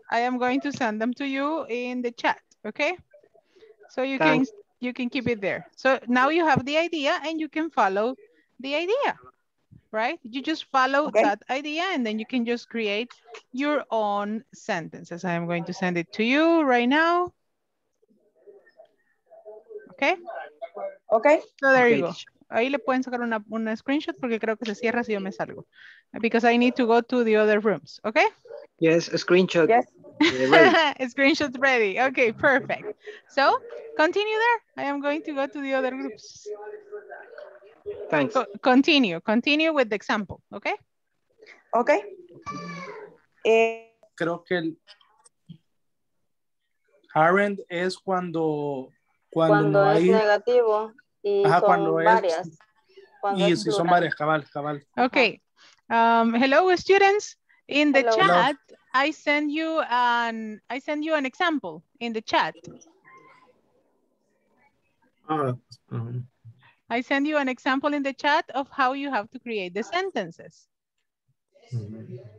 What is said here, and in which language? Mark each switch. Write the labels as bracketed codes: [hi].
[en] I am going to send them to you in the chat. Okay? So you can keep it there. So now you have the idea and you can follow the idea. Right? You just follow that idea and then you can just create your own sentences. I am going to send it to you right now. Okay? Okay. So there you go. [es] Ahí le pueden sacar una screenshot porque creo que se cierra si yo me salgo. [en] Because I need to go to the other rooms. Okay? Yes, a screenshot. Yes. Ready. Screenshot ready. Okay, perfect. So continue there. I am going to go to the other groups. Thanks. Continue with the example, okay? Okay. [es] Creo que el aren't es cuando no hay... es negativo y ajá, son cuando varias. Es... Cuando y es si plural. Son varias, cabal. [en] Okay. Hello, students. In the chat, hello. I send you an example in the chat. I send you an example in the chat of how you have to create the sentences. Mm-hmm.